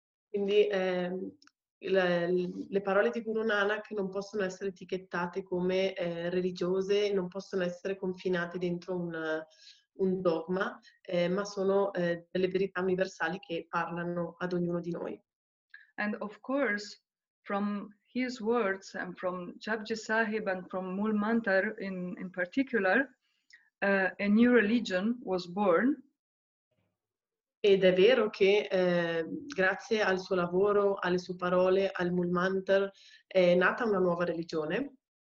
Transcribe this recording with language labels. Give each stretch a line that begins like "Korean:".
Italian: Quindi le parole di Guru Nanak non possono essere etichettate come religiose, non possono essere confinate dentro un dogma, ma sono delle verità universali che parlano ad ognuno di noi.
English: And of course, from his words and from Japji Sahib and from Mool Mantar in particular, a new religion was born.
Italian: Ed è vero che grazie al suo lavoro, alle sue parole, al Mool Mantar, è nata una nuova religione.